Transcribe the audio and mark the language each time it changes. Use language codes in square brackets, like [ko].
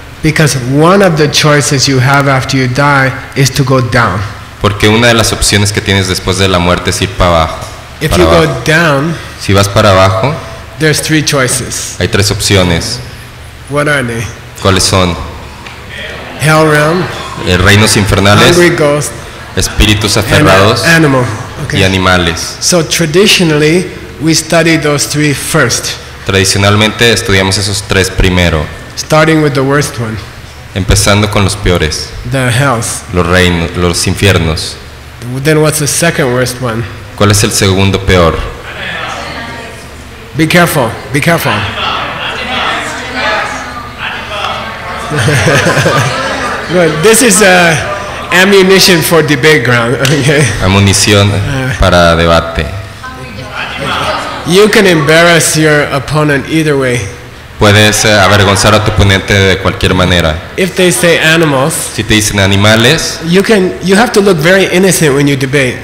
[en] Because one of the choices you have after you die is to go down. [es] Porque una de las opciones que tienes después de la muerte es ir para abajo. [en] If you go down, [es] si vas para abajo, [en] there's 3 choices. [es] Hay 3 opciones. [en] What are they? [es] ¿Cuáles son? [en] Hell realm. [es] Reinos infernales. [en] Hungry ghost. [es] Espíritus aferrados. [en] And animal. Okay. [es] Y animales. [en] So traditionally we study those 3 first. [es] Tradicionalmente estudiamos esos 3 primero. [en] Starting with the worst one. [es] Empezando con los peores. [en] The hells. [es] Los reinos, los infiernos. [en] Then what's the second worst one? [es] ¿Cuál es el segundo peor? [en] Be careful, be careful. Good. This is ammunition for debate ground. [es] Amunición para debate. [en] You can embarrass your opponent either way. [es] Puedes avergonzar a tu oponente de cualquier manera. [en] If they say animals, [es] si te dicen animales, [en] you have to look very innocent when you debate.